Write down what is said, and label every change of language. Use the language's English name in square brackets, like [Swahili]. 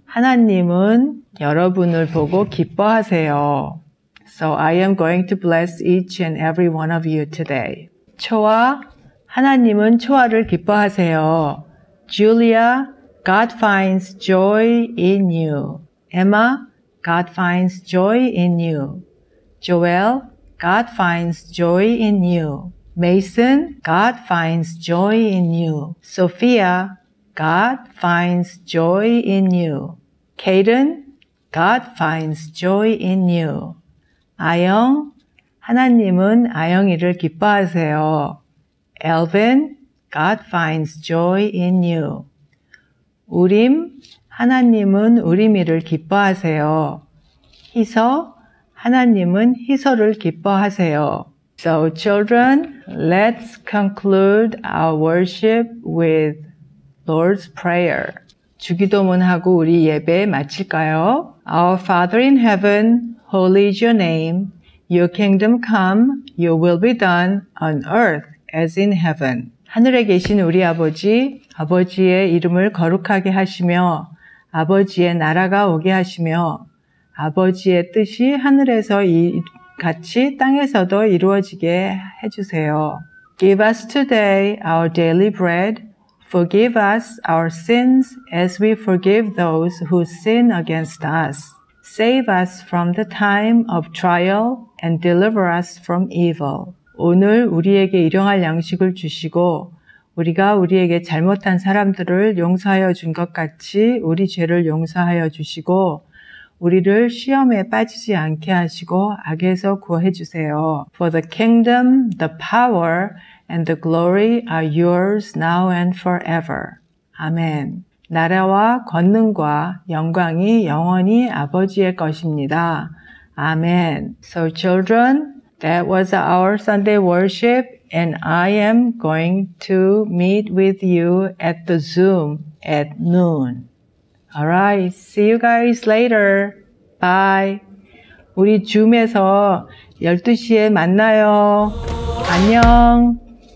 [Korean] 하나님은 여러분을 보고 기뻐하세요. [English] So I am going to bless each and every one of you today. [Korean] 초아, 하나님은 초아를 기뻐하세요. [English] Julia, God finds joy in you. Emma, God finds joy in you. Joel, God finds joy in you. Mason, God finds joy in you. Sophia, God finds joy in you. Kaden, God finds joy in you. [Korean] 아영, 하나님은 아영이를 기뻐하세요. [English] Elvin, God finds joy in you. [Korean] 우림, 하나님은 우림이를 기뻐하세요. 희서, 하나님은 희서를 기뻐하세요. [English] So children, let's conclude our worship with Lord's Prayer. [Korean] 주기도문하고 우리 예배 마칠까요? [English] Our Father in heaven, holy is your name. Your kingdom come, your will be done on earth as in heaven. [Korean] 하늘에 계신 우리 아버지, 아버지의 이름을 거룩하게 하시며 아버지의 나라가 오게 하시며 아버지의 뜻이 하늘에서 같이 땅에서도 이루어지게 해주세요. [English] Give us today our daily bread. Forgive us our sins as we forgive those who sin against us. Save us from the time of trial and deliver us from evil. [Korean] 오늘 우리에게 일용할 양식을 주시고 우리가 우리에게 잘못한 사람들을 용서하여 준 것 같이 우리 죄를 용서하여 주시고 우리를 시험에 빠지지 않게 하시고 악에서 구해 주세요. [English] For the kingdom, the power, and the glory are yours now and forever. Amen. [Korean] 나라와 권능과 영광이 영원히 아버지의 것입니다. 아멘. [English] So children, that was our Sunday worship, and I am going to meet with you at the Zoom at noon. Alright, see you guys later. Bye. [Korean] 우리 줌에서 12시에 만나요. 안녕.